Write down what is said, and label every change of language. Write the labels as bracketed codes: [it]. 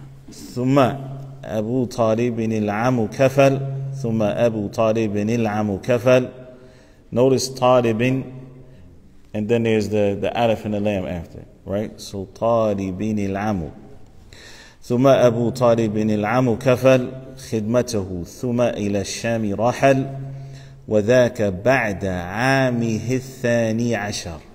[ar] ثم أبو طالب العم كفل ثم أبو طالب العم كفل. [en] Notice طالب, and then there's the ألف and the لام after, right? [ar] So طالب العم ثم أبو طالب العم كفل خدمته ثم إلى الشام رحل وذاك بعد عامه الثاني عشر.